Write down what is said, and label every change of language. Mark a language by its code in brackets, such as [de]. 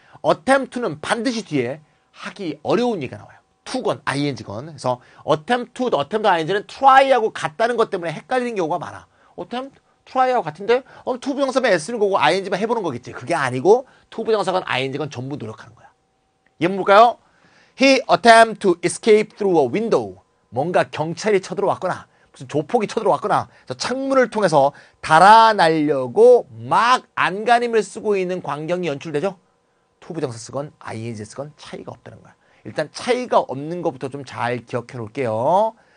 [ko] attempt는 반드시 뒤에 하기 어려운 얘기가 나와요. to건 ing건. 그래서 attempt to, attempt ing는 try하고 같다는 것 때문에 헷갈리는 경우가 많아. attempt, try하고 같은데 to 부정사만 애쓰는 거고 ing만 해보는 거겠지. 그게 아니고 to 부정사건 ing건 전부 노력하는 거야. 예문 볼까요? [en] He attempted to escape through a window. [ko] 뭔가 경찰이 쳐들어왔거나 무슨 조폭이 쳐들어왔거나 창문을 통해서 달아나려고 막 안간힘을 쓰고 있는 광경이 연출되죠? 투부정사 쓰건 ing 쓰건 차이가 없다는 거야. 일단 차이가 없는 것부터 좀 잘 기억해 놓을게요.